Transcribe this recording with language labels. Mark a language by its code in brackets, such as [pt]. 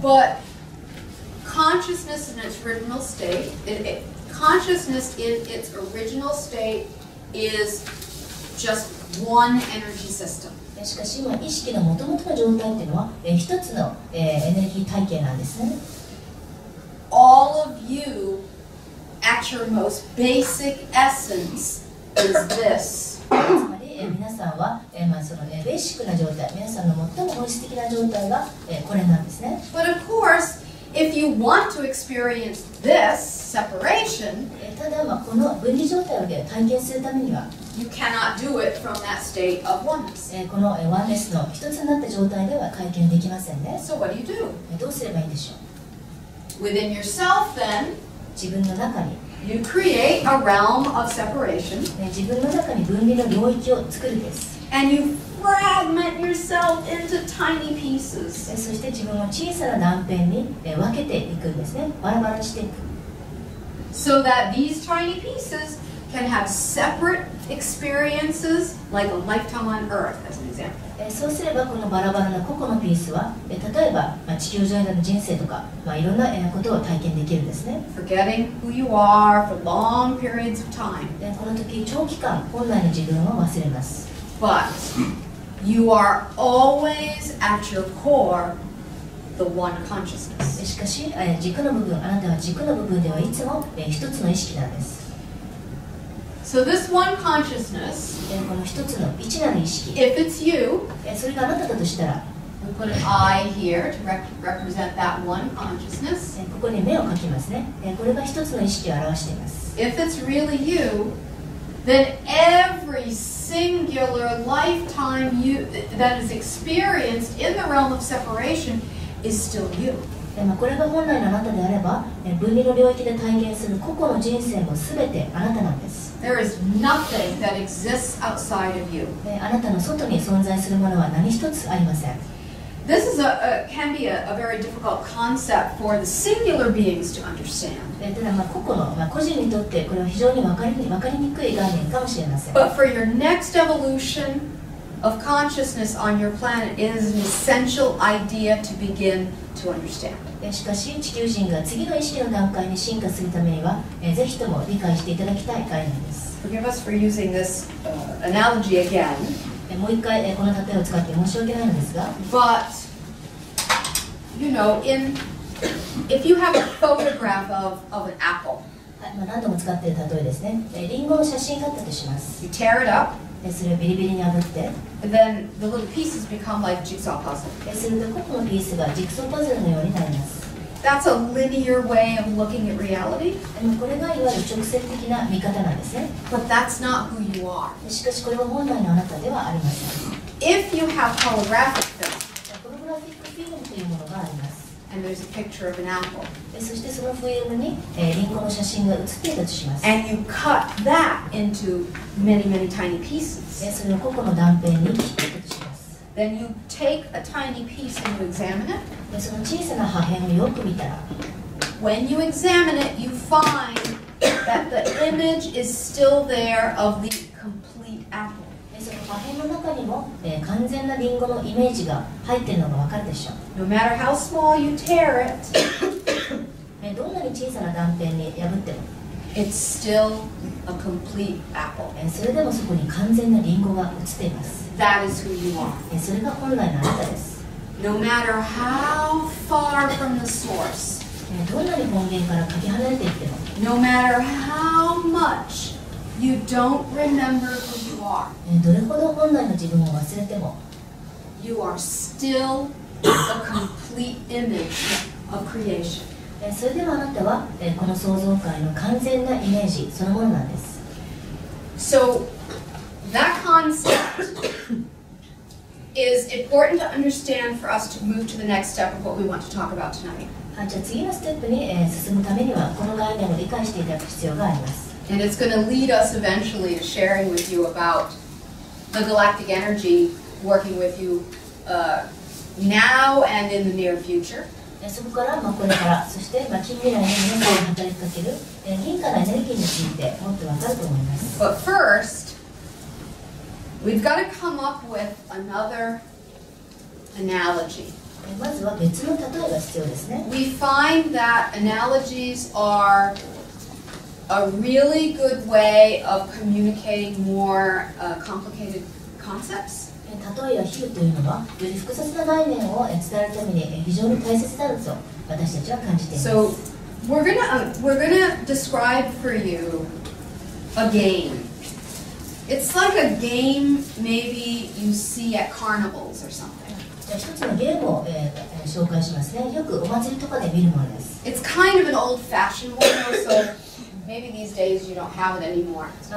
[en] ButConsciousness in its original state, consciousness in its original state is just one energy system. [ja] しかし、意識の元々の状態というのは、一つの、エネルギー体系なんですね。 [en] All of you, at your most basic essence, is this. [ja] つまり、皆さんは、まあ、その、ベーシックな状態、皆さんの最も本質的な状態が、これなんですね。 [en] But of course, if you want to experience this separation, [ja] ただ、まあ、この分離状態を体験するためには、 [en] You cannot do it from that state of oneness. [ja] このワンネスの一つになった状態では体験できませんね。 [en] So what do you do? [ja] どうすればいいんでしょう? [en] Within yourself, then, [ja] 自分の中に [en] you create a realm of separation. [ja] 自分の中に分離の領域を作るんです。 [en] And you fragment yourself into tiny pieces. [ja] そして自分を小さな断片に分けていくんですね。バラバラしていく。 [en] So that these tiny pieces can have separate experiences like a lifetime on Earth, as an example. [ja] そうすればこのバラバラな個々のピースは、例えば、まあ、地球上での人生とか、まあ、いろんなことを体験できるんですね。 [en] Forgetting who you are for long periods of time. [ja] で、この時長期間本来の自分を忘れます。 [en] But you are always at your core the one consciousness. [ja] しかし、軸の部分、あなたは軸の部分ではいつも、一つの意識なんです。 [en] So this one consciousness, [ja] この一つの一なる意識 [en] if it's you, [ja] それがあなただとしたら [en] we'll put an I here to represent that one consciousness. [ja] ここに目を描きますね。これが一つの意識を表しています。 [en] If it's really you, then every singular lifetime you, that is experienced in the realm of separation is still you. [ja] でまあ、これが本来のあなたであれば、分離の領域で体験する個々の人生も全てあなたなんです。 [en] There is nothing that exists outside of you. [ja] あなたの外に存在するものは何一つありません。 [en] This is can be a very difficult concept for the singular beings to understand. [ja] ただ、まあ、個々の、まあ、個人にとってこれは非常に分かりにくい概念かもしれません。 [en] But for your next evolution of consciousness on your planet, it is an essential idea to begin. [ja] しかし地球人が次の意識の段階に進化するためにはぜひとも理解していただきたい概念です。 [en] Forgive us for using this analogy again. [ja] もう一回この例を使って申し訳ないのですが。 [en] But, you know, in, if you have a photograph of an apple. [ja] 何度も使っている例えですね。リンゴの写真があったとします。 [en] You tear it up. [ja] それをビリビリに破って、 [en] And、then the little pieces become like jigsaw puzzle. [ja] すると個々のピースがジグソーパズルのようになります。 [en] That's a linear way of looking at reality. [ja] これがいわゆる直線的な見方なんですね。 [en] But that's not who you are. [ja] しかしこれは本来のあなたではありません。 [en] If you have holographic [ja] film, ホログラフィックフィルムというものがあります。 [en] And there's a picture of an apple. [ja] そしてそのフィルムにリンゴの写真が写っているとします。 [en] And you cut that into many, many tiny pieces. [ja] それを個々の断片に切っていくとします。 [en] Then you take a tiny piece and you examine it. [ja] その小さな破片をよく見たら。 [en] When you examine it, you find that the image is still there of the complete apple. [ja] その破片の中にも完全なリンゴのイメージが入っているのがわかるでしょう。 [en] No matter how small you tear it, [ja] どんなに小さな断片に破っても、 [en] it's still a complete apple. [ja] それでもそこに完全なリンゴが映っています。 [en] That is who you are. [ja] それが本来のあなたです。 [en] No matter how far from the source, [ja] どんなに本源からかけ離れていっても、 [en] no matter how much you don't remember who you are, [ja] どれほど本来の自分を忘れても、 [en] you are still. A complete image of creation. [ja] それではあなたはこの創造界の完全なイメージそのものなんです。 [en] So that concept is important to understand for us to move to the next step of what we want to talk about tonight. [ja] じゃあ次のステップに進むためにはこの概念を理解していただく必要があります。 [en] And it's going to lead us eventually to sharing with you about the galactic energy working with you. Now and in the near future. [ja] そこから、まあ、これから、そして、まあ、近未来の皆さんに働きかける、銀河のエネルギーについてもっとわかると思います。 [en] But first, we've got to come up with another analogy. [ja] まずは別の例えが必要ですね。 [en] We find that analogies are a really good way of communicating more complicated concepts. [ja] 例えや比喩というのはより複雑な概念を伝えるために非常に大切だと私たちは感じています。 [en] So, we're gonna describe for you a game. It's like a game maybe you see at carnivals or something. It's kind of an old-fashioned one, so maybe these days you don't have it anymore.